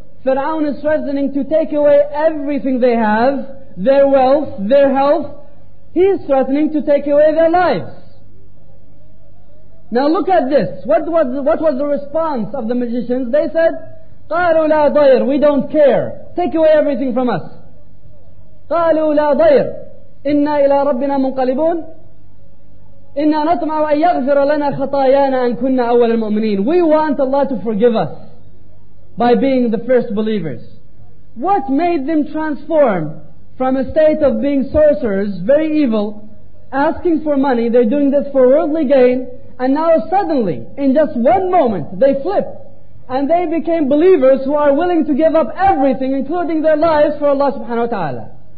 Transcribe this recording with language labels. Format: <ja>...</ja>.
<en>Fir'aun is threatening to take away everything they have, their wealth, their health. He is threatening to take away their lives. Now look at this. What was the response of the magicians? They said,</en> <ar>قَالُوا لَا ضَيْرُ.</ar> <en>We don't care. Take away everything from us.</en> <ar>قالوا لا ضير إنا إلى ربنا منقلبون إنا نطمع أن يغفر لنا خطايانا أن كنا أول المؤمنين.</ar> <en>We want Allah to forgive us by being the first believers. What made them transform from a state of being sorcerers, very evil, asking for money, they're doing this for worldly gain, and now suddenly, in just one moment, they flip and they became believers who are willing to give up everything, including their lives, for Allah subhanahu wa ta'ala.</en>